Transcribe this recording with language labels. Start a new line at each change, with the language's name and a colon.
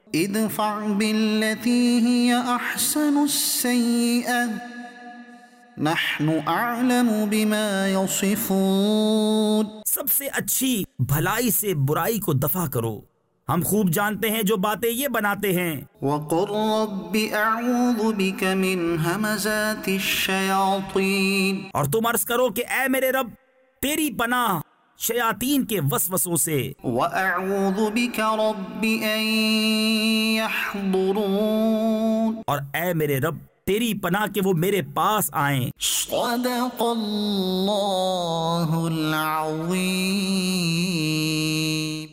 Arabic: ادفع بالتی ہی احسن السیئہ نحن اعلم بما يصفون,
Urdu: سب سے اچھی بھلائی سے برائی کو دفع کرو, ہم خوب جانتے ہیں جو باتیں یہ بناتے ہیں.
Arabic: وقل رب اعوذ بك من همزات الشياطين,
Urdu: اور تم عرض کرو کہ اے میرے رب تیری پناہ شیاطین کے وسوسوں سے.
Arabic: واعوذ بك رب ان يحضرون,
Urdu: اور اے میرے رب تیری پناہ کہ وہ میرے پاس آئیں.
Arabic: صدق اللہ العظیم.